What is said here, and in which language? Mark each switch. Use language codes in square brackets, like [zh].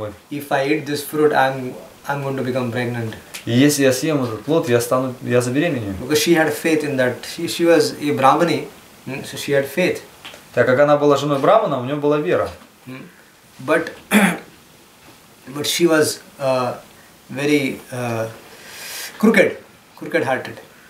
[en] If I eat this fruit, I'm going to become pregnant. [ru] И если я съем этот плод, я забеременею. [en] Because she had faith in that. She was a brahmani, so she had faith. [ru] Так как она была женой брахмана, у нее была вера. [en] But she was very crooked-hearted.